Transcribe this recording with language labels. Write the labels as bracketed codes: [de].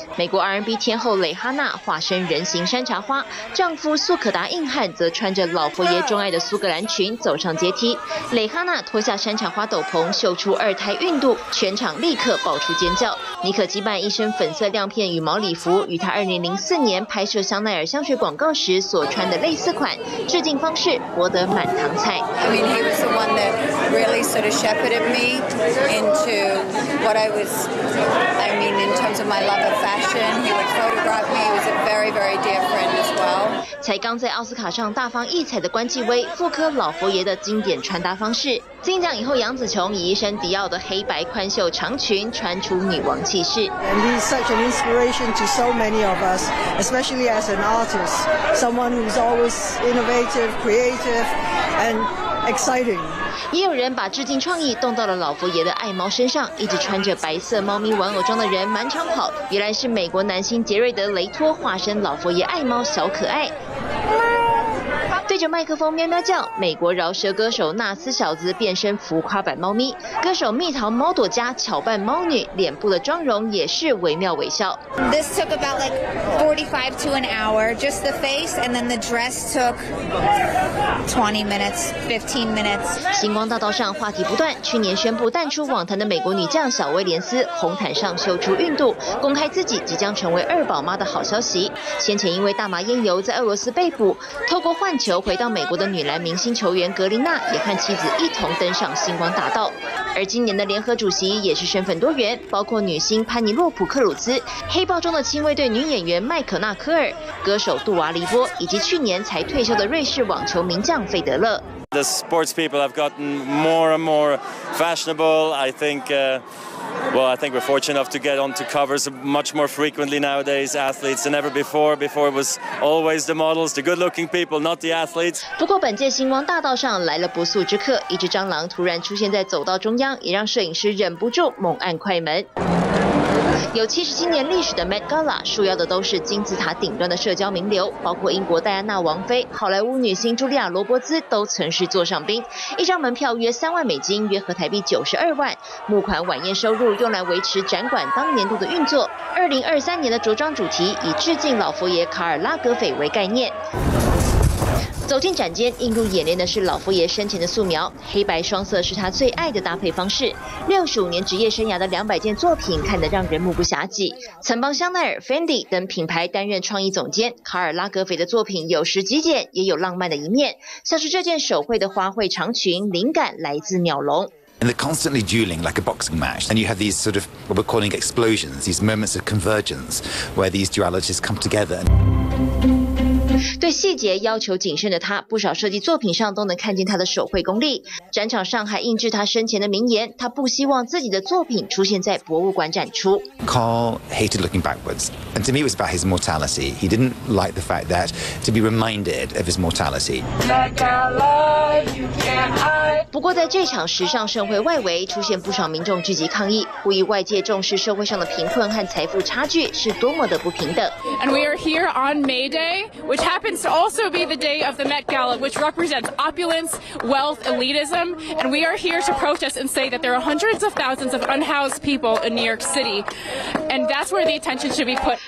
[zh] 美国 R&B 天后蕾哈娜化身人形山茶花，丈夫苏可达硬汉则穿着老佛爷钟爱的苏格兰裙走上阶梯。蕾哈娜脱下山茶花斗篷，秀出二胎孕肚，全场立刻爆出尖叫。妮可基曼一身粉色亮片羽毛礼服，与她2004年拍摄香奈儿香水广告时所穿的类似款，致敬方式博得满堂彩。 [en] I mean, he was the one that really sort of shepherded me into what I was. I mean, in terms of my love of fashion, he would photograph me. He was a very, very dear friend as well. [zh] 才刚在奥斯卡上大放异彩的关继威复刻老佛爷的经典穿搭方式。金奖以后，杨紫琼以一身迪奥的黑白宽袖长裙穿出女王气势。 [en] And he's such an inspiration to so many of us, especially as an artist, someone who's always innovative, creative, and exciting. [zh] 也有人把致敬创意动到了老佛爷的爱猫身上，一直穿着白色猫咪玩偶装的人满场跑，原来是美国男星杰瑞德·雷托化身老佛爷爱猫小可爱，对着麦克风喵喵叫。美国饶舌歌手纳斯小子变身浮夸版猫咪，歌手蜜桃猫朵家巧扮猫女，脸部的妆容也是惟妙惟肖。 [en] This took about like 45 to an hour, just the face, and then the dress took 20 minutes, 15 minutes. [zh] 星光大道上话题不断，去年宣布淡出网坛的美国女将小威廉斯，红毯上秀出孕肚，公开自己即将成为二宝妈的好消息。先前因为大麻烟油在俄罗斯被捕，透过换球回到美国的女篮明星球员格林娜也和妻子一同登上星光大道。而今年的联合主席也是身份多元，包括女星潘尼洛普·克鲁兹、黑豹中的亲卫队女演员麦可纳科尔、歌手杜瓦黎波，以及去年才退休的瑞士网球名将费德勒。 [en] The sports people have gotten more and more fashionable. I think, Well, I think we're fortunate enough to get onto covers much more frequently nowadays, athletes, than ever before. Before it was always the models, the good-looking people, not the athletes. [zh] 不过本届星光大道上来了不速之客，一只蟑螂突然出现在走道中央，也让摄影师忍不住猛按快门。有77年历史的 Met Gala 束腰的都是金字塔顶端的社交名流，包括英国戴安娜王妃、好莱坞女星茱莉亚·罗伯兹都曾是座上宾。一张门票约3万美金，约合台币92万。募款晚宴收入用来维持展馆当年度的运作。 2023年的着装主题以致敬老佛爷卡尔·拉格斐为概念。走进展间，映入眼帘的是老佛爷生前的素描，黑白双色是他最爱的搭配方式。 65年职业生涯的200件作品，看得让人目不暇接。曾帮香奈儿、Fendi 等品牌担任创意总监，卡尔拉格斐的作品有时极简，也有浪漫的一面。像是这件手绘的花卉长裙，灵感来自鸟笼。 [en] And they're constantly dueling like a boxing match, and you have these sort of what we're calling explosions, these moments of convergence where these dualities come together. [zh] 对细节要求谨慎的他，不少设计作品上都能看见他的手绘功力。展场上还印制他生前的名言，他不希望自己的作品出现在博物馆展出。 [en] Carl hated looking backwards, and to me it was about his mortality. He didn't like the fact that to be reminded of his mortality. Like I love you, can I? [zh] 不过在这场时尚盛会外围出现不少民众聚集抗议，呼吁外界重视社会上的贫困和财富差距是多么的不平等。 [en] And we are here on May Day, which happens to also be the day of the Met Gala, which represents opulence, wealth, elitism. And we are here to protest and say that there are hundreds of thousands of unhoused people in New York City. And that's where the attention should be put.